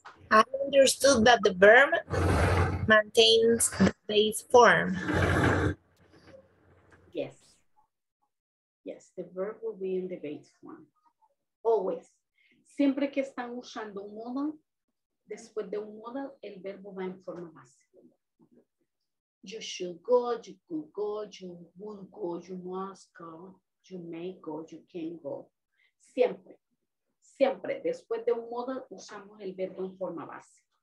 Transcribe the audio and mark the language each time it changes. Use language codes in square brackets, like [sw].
[en] I understood that the verb maintains the base form. Yes. Yes, the verb will be in the base form. Always. [es] Siempre que están usando un modo, después de un modo, el verbo va en forma base. [en] You should go, you could go, you would go, you must go, you may go, you can go. [es] Siempre. Siempre, después de un modo, usamos el verbo en forma base.